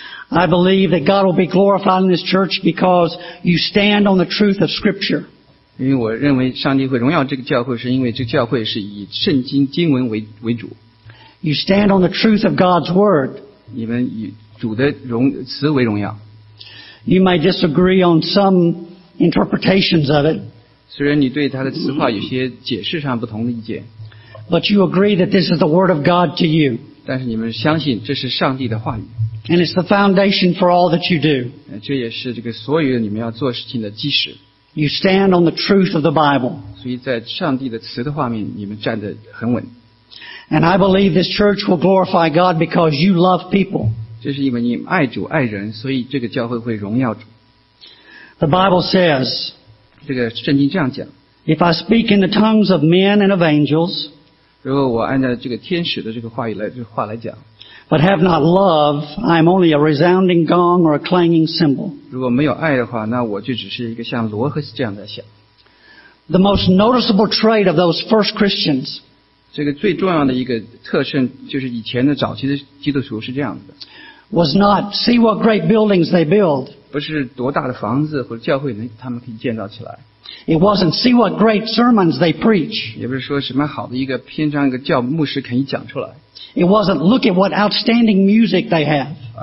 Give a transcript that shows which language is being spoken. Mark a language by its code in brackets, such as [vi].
[en] I believe that God will be glorified in this church because you stand on the truth of Scripture. [zh] 因为我认为上帝会荣耀这个教会，是因为这个教会是以圣经经文为主。 [en] You stand on the truth of God's word. [zh] 你们以主的词为荣耀。 [en] You may disagree on some interpretations of it. [zh] 虽然你对他的词话有些解释上不同的意见。 [en] But you agree that this is the word of God to you. [zh] 但是你们相信这是上帝的话语。 [en] And it's the foundation for all that you do. [zh] 这也是这个所有你们要做事情的基石。 [en] You stand on the truth of the Bible. [zh] 所以在上帝的词的画面, 你们站得很稳。 [en] And I believe this church will glorify God because you love people. [zh] 这是因为你爱主爱人, 所以这个教会会荣耀主。 [en] The Bible says, [zh] 这个圣经这样讲, [en] If I speak in the tongues of men and of angels, [zh] 如果我按照这个天使的这个话来讲, [en] But have not love, I am only a resounding gong or a clanging cymbal. [zh] 如果没有爱的话，那我就只是一个像锣和这样在响。The [en] most noticeable trait of those first Christians. [zh] 这个最重要的一个特征就是以前的早期的基督徒是这样子的。 [en] Was not see what great buildings they build. [zh] 不是多大的房子或者教会他们可以建造起来。 [en] It wasn't see what great sermons they preach. [zh] 也不是说什么好的一个篇章一个教牧师可以讲出来。 [en] It wasn't look at what outstanding music they have.